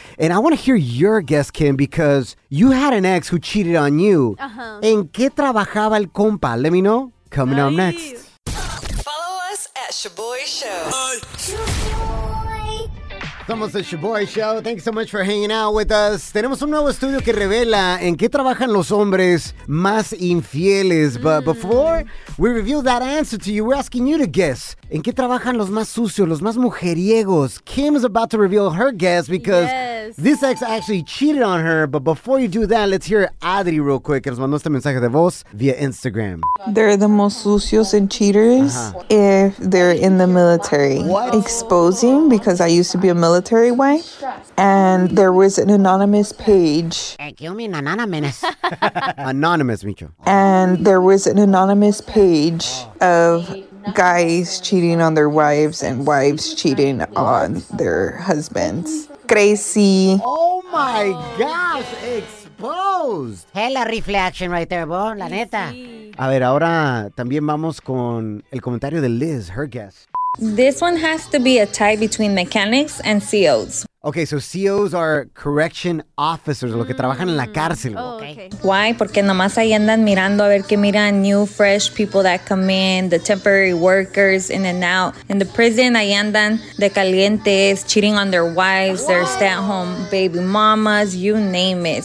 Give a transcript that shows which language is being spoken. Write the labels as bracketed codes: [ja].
[en] And I want to hear your guess, Kim, because you had an ex who cheated on you. Uh-huh. [es] ¿En qué trabajaba el compa? [en] Let me know. Coming up next. Follow us at Shaboy Show. [es] Somos el Shaboy Show. [en] Thanks so much for hanging out with us. [es] Tenemos un nuevo estudio que revela en qué trabajan los hombres más infieles. [en] But before we reveal that answer to you, we're asking you to guess. [es] ¿En qué trabajan los más sucios, los más mujeriegos? [en] Kim is about to reveal her guess because this ex actually cheated on her. But before you do that, let's hear Adri real quick. [es] Que nos mandó este mensaje de voz via Instagram. [en] They're the most sucios and cheaters if they're in the military. What? Exposing, because I used to be a military wife. And there was an anonymous page. Anonymous, Micho. And there was an anonymous page of... guys cheating on their wives and wives cheating on their husbands. Crazy. Oh my gosh, exposed. Hella rifle action right there, bro, [es] la neta. A ver, ahora también vamos con el comentario de Liz, [en] her guess. This one has to be a tie between mechanics and COs. Okay, so COs are correction officers, [es] lo que trabajan en la cárcel. [en] Oh, okay. Why? [es] Porque nomás ahí andan mirando a ver qué miran [en] new, fresh people that come in, the temporary workers in and out. In the prison, [es] ahí andan de calientes, [en] cheating on their wives, their stay-at-home baby mamas, you name it.